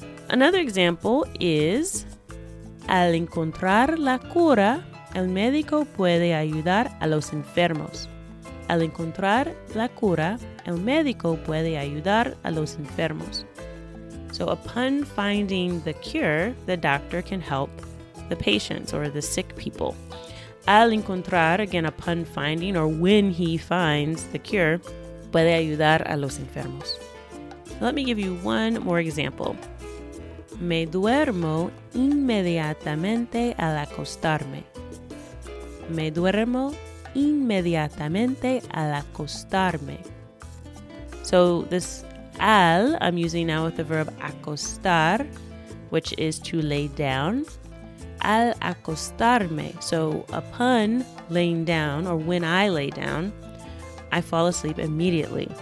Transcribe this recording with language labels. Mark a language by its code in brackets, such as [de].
[en] Another example is, [es] al encontrar la cura, el médico puede ayudar a los enfermos. Al encontrar la cura, el médico puede ayudar a los enfermos. [en] So upon finding the cure, the doctor can help the patients or the sick people. [es] Al encontrar, [en] again, upon finding or when he finds the cure, [es] puede ayudar a los enfermos. [en] Let me give you one more example. [es] Me duermo inmediatamente al acostarme. Me duermo inmediatamente al acostarme. [en] So this al I'm using now with the verb acostar, which is to lay down. [es] Al acostarme. [en] So upon laying down or when I lay down, I fall asleep immediately.